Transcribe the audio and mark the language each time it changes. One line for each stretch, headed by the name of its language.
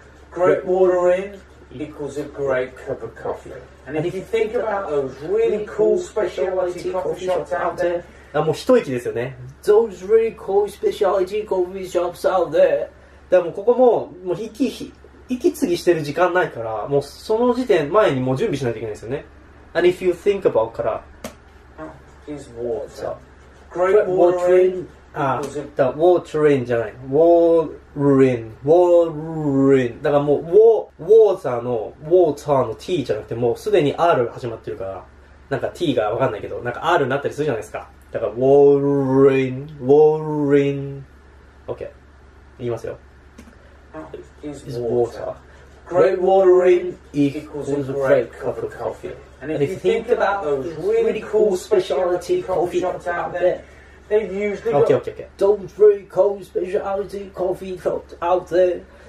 English: Great water in equals a great cup of coffee. And if you think about those really cool specialty coffee shops out there.
Japanese: あ、もう一息ですよね。
English: Those really cool specialty coffee shops out there.
Japanese: でもここもう息継ぎしてる時間ないから、もうその時点前にもう準備しないといけないですよね。
English: And if you think about
Japanese: から
English: is water. Great water in water in
Japanese: じゃない
English: water in water in
Japanese: だからもう water の water の t じゃなくてもうすでに r 始まってるから、なんか t が分かんないけどなんか r になったりするじゃないですか。だから
English: water in
Japanese: OK 言いますよ。
English: Is water. Great water in equals a great cup of coffee. And if you think about those really cool specialty coffee shops out there, they've usually got those really cool specialty coffee shops out there.